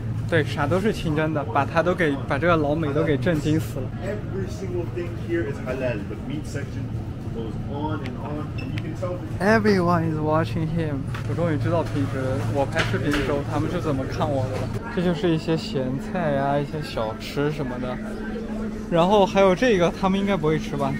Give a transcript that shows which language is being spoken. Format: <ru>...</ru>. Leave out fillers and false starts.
<zh>对，啥都是清真的，把他都给把这个老美都给震惊死了。</zh> <en>Every single thing here is halal. The meat section goes on and on, and you can tell. Everyone is watching him.</en> <zh>我终于知道平时我拍视频的时候他们是怎么看我的了。这就是一些咸菜呀、啊，一些小吃什么的。然后还有这个，他们应该不会吃吧？</zh>